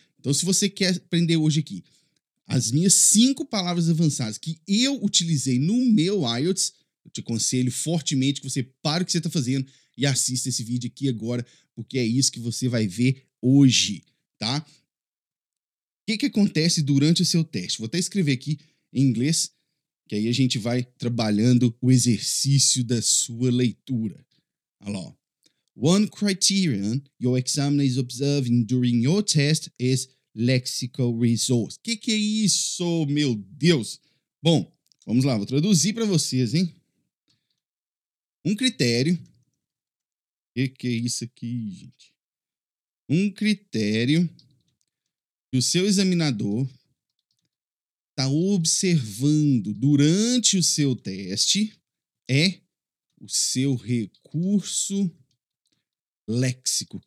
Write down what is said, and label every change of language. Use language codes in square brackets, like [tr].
[pt] Então, se você quer aprender hoje aqui as minhas 5 palavras avançadas que eu utilizei no meu IELTS, eu te aconselho fortemente que você pare o que você está fazendo e assista esse vídeo aqui agora, porque é isso que você vai ver hoje, tá? O que que acontece durante o seu teste? Vou até escrever aqui em inglês, que aí a gente vai trabalhando o exercício da sua leitura. Olha lá. [en] One criterion your examiner is observing during your test is lexical resource. [pt] Que é isso, meu Deus? Bom, vamos lá, vou traduzir para vocês, hein? Um critério. Que é isso aqui, gente? Um critério que o seu examinador está observando durante o seu teste é o seu recurso léxico.